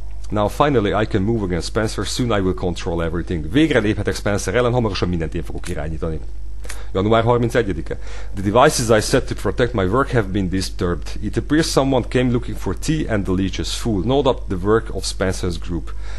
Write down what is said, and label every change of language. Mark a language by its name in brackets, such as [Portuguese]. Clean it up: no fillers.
[English] Now finally I can move against Spencer, soon I will control everything. [Hungarian] Végre léphetek Spencer ellen, hamarosan mindent én fogok irányítani. Január 31-e. [English] The devices I set to protect my work have been disturbed. It appears someone came looking for tea and the leeches fool. No doubt the work of Spencer's group.